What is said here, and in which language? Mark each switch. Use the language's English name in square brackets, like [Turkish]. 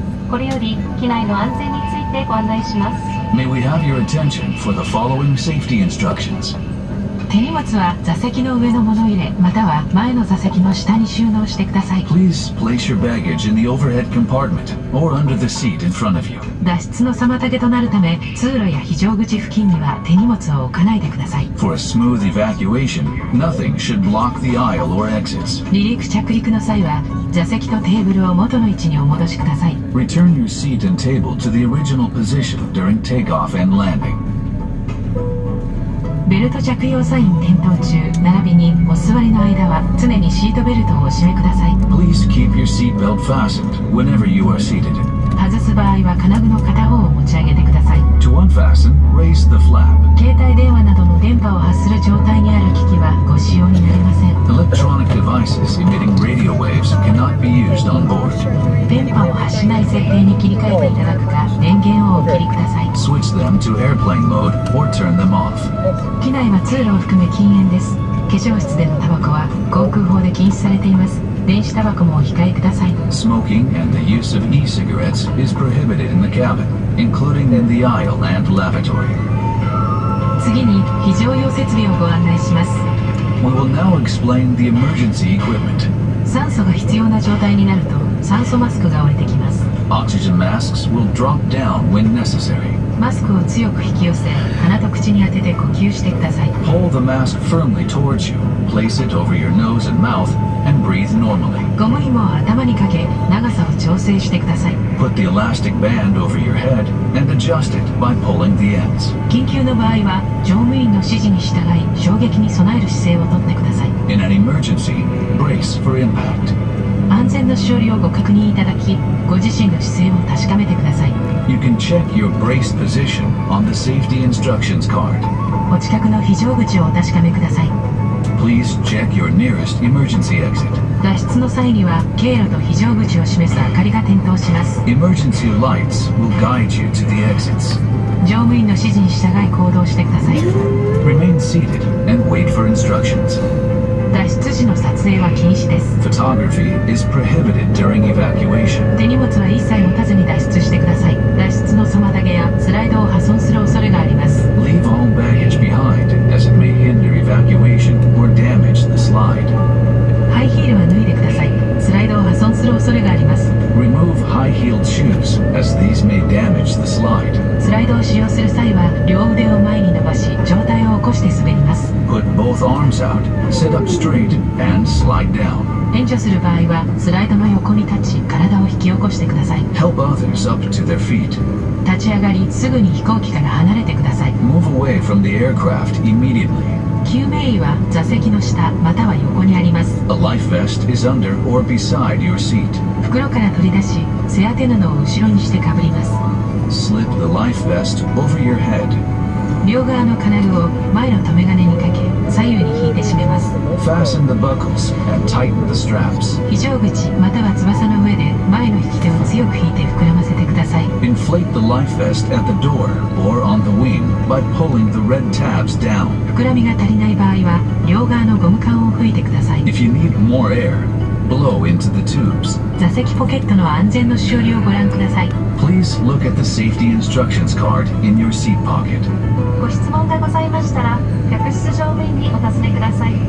[Japanese] これより機内の安全についてご案内します。 [English] May we have your attention for the following safety instructions. [Japanese] 手荷物は座席の上の物入れまたは前の座席の下に収納してください。 [English] Please place your baggage in the overhead compartment or under the seat in front of you. [Japanese] 脱出の妨げとなるため通路や非常口付近には手荷物を置かないでください。 [English] For a smooth evacuation, nothing should block the aisle or exits. [Japanese] 離陸着陸の際は座席とテーブルを元の位置にお戻しください。 [English] Return your seat and table to the original position during takeoff and landing. [Japanese] ベルト着用サイン点灯中、並びにお座りの間は常にシートベルトをお締めください。 [English] Please keep your seat belt fastened whenever you are seated. [Japanese] 外す場合は金具の片方を持ち上げてください。 [English] To unfasten, raise the flap. [Japanese] 携帯電話などの電波を発する状態にある機器はご使用になりません。 [English] Electronic devices emitting radio waves cannot be used on board. [Japanese] 電波を発しない設定に切り替えていただくか、電源をお切りください。 [English] Switch them to airplane mode or turn them off. [Japanese] 機内は通路を含め禁煙です。化粧室でのタバコは航空法で禁止されています。電子タバコもお控えください。 [English] Smoking and the use of e-cigarettes is prohibited in the cabin, including in the aisle and lavatory. [Japanese] 次に非常用設備をご案内します。 [English] We will now explain the emergency equipment. [Japanese] 酸素が必要な状態になると酸素マスクが降りてきます。 [English] Oxygen masks will drop down when necessary. [Japanese] マスクを強く引き寄せ、鼻と口に当てて呼吸してください。 [English] Hold the mask firmly towards you. Place it over your nose and mouth and breathe normally. [Japanese] ゴム紐を頭にかけ、長さを調整してください。 [English] Put the elastic band over your head and adjust it by pulling the ends. [Japanese] 緊急の場合は乗務員の指示に従い、衝撃に備える姿勢をとってください。 [English] In an emergency, brace for impact. [Japanese] 安全の処理をご確認いただき、ご自身の姿勢を確かめてください。 [English] You can check your brace position on the safety instructions card. [Japanese] お近くの非常口をお確かめください。 [English] Please check your nearest emergency exit. [Japanese] 脱出の際には経路と非常口を示す明かりが点灯します。 [English] Emergency lights will guide you to the exits. [Japanese] 乗務員の指示に従い行動してください。 [English] Remain seated and wait for instructions. [Japanese] 脱出時の撮影は禁止です。 [English] Photography is prohibited during evacuation. [Japanese] 手荷物は一切持たずに脱出してください。脱出の妨げやスライドを破損する恐れがあります。 [English] Leave all baggage behind as it may hinder evacuation or damage the slide. [Japanese] ハイヒールは脱いでください。スライドを破損する恐れがあります。 [English] Remove high-heeled shoes as these may damage the slide. [Japanese] スライドを使用する際は両腕を前に伸ばし上体を起こして滑ります。 [English] Put both arms out, sit up straight, and slide down. [Japanese] 援助する場合はスライドの横に立ち体を引き起こしてください [English] Help others up to their feet [Japanese] 立ち上がりすぐに飛行機から離れてください [English] Move away from the aircraft immediately [Japanese] 救命衣は座席の下または横にあります [English] A life vest is under or beside your seat [Japanese] 袋から取り出し背当て布を後ろにしてかぶります [English] Slip the life vest over your head [Japanese] 両側の金具を前の留め金にかけ左右に引いて締めます [English] Fasten the buckles and tighten the straps [Japanese] 非常口または翼の上で前の引き手を強く引いて膨らませてください [English] Inflate the life vest at the door or on the wing by pulling the red tabs down [Japanese] 膨らみが足りない場合は両側のゴム管を吹いてください [English] If you need more air, blow into the tubes [Japanese] 座席ポケットの安全のしおりをご覧ください [English] Please look at the safety instructions card in your seat pocket [Japanese] ご質問がございましたら客室乗務員にお尋ねください